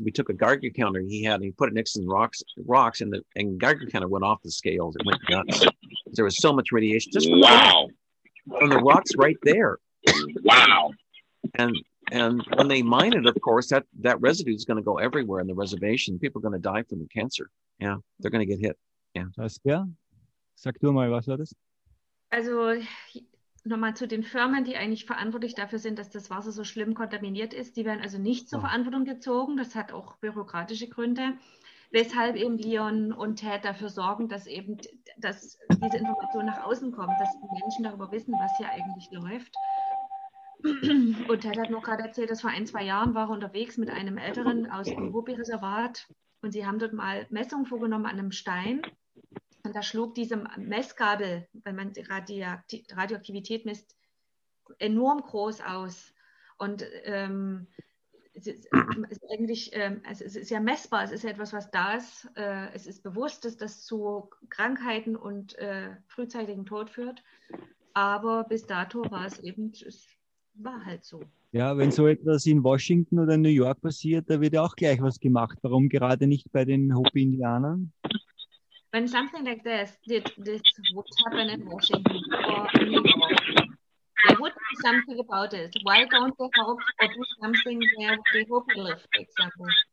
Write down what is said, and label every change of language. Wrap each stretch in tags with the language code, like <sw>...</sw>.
<en>We took a Geiger counter he had, and he put it next to the rocks, and the Geiger counter went off the scales. It went nuts. There was so much radiation. Just wow. From the rocks right there. Wow. And when they mine it, of course, that residue is going to go everywhere in the reservation. People are going to die from the cancer. Yeah, they're going to get hit. Yeah.</en> <de>Saskia, sag du mal, was war das? Also nochmal zu den Firmen, die eigentlich verantwortlich dafür sind, dass das Wasser so schlimm kontaminiert ist. Die werden also nicht zur Verantwortung gezogen. Das hat auch bürokratische Gründe, weshalb eben Leon und Ted dafür sorgen, dass eben dass diese Information nach außen kommt, dass die Menschen darüber wissen, was hier eigentlich läuft. Und Ted hat noch gerade erzählt, dass vor 1-2 Jahren war er unterwegs mit einem Älteren aus dem Hopi-Reservat und sie haben dort mal Messungen vorgenommen an einem Stein. Und da schlug diese Messgabel, wenn man die Radioaktivität misst, enorm groß aus. Und es ist ja messbar, es ist ja etwas, was da ist. Es ist bewusst, dass das zu Krankheiten und frühzeitigem Tod führt. Aber bis dato war es eben, es war halt so. Ja, wenn so etwas in Washington oder in New York passiert, da wird ja auch gleich was gemacht. Warum gerade nicht bei den Hopi-Indianern?</de> <en>When something like this would happen in Washington or in New York, there would be something about it. Why don't they help or do something where they hope to live, for example?</en>